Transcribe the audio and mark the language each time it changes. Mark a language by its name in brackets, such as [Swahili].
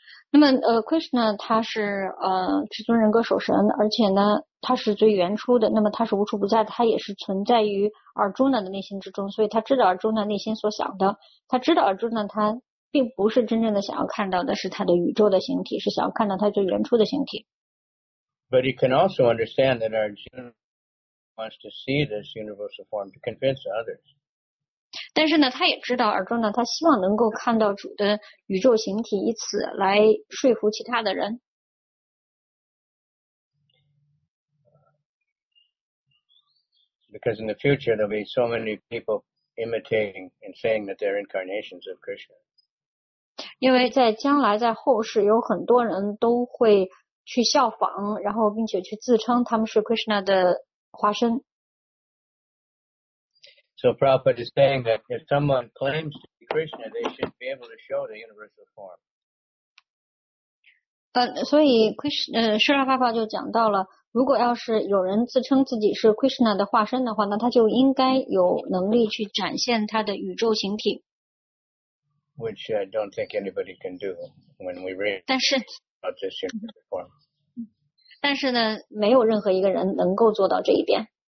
[Chinese] 那么Krishna 他是至尊人格守神，而且呢他是最原初的，那么他是无处不在的，他也是存在于 Arjuna 的内心之中，所以他知道 Arjuna 内心所想的，他知道 Arjuna 他并不是真正的想要看到的是他的宇宙的形体，是想要看到他最原初的形体。 [English] But he can also understand that Arjuna wants to see this universal form to convince others. [Chinese] 但是呢，他也知道 Arjuna 他希望能够看到主的宇宙形体，以此来说服其他的人。 [English] Because in the future there'll be so many people imitating and saying that they're incarnations of Krishna. [Chinese] 因为在将来，在后世，有很多人都会去效仿，然后并且去自称他们是 Krishna 的化身。 [English] So Prabhupada is saying that if someone claims to be Krishna, they should be able to show the universal form. [Chinese] 所以 Srila Prabhupada 就讲到了，如果要是有人自称自己是 Krishna 的化身的话，那他就应该有能力去展现他的宇宙形体。 [English] Which I don't think anybody can do when we read [Chinese] 但是 [English] about this universal form. [Chinese] 但是呢，没有任何一个人能够做到这一点。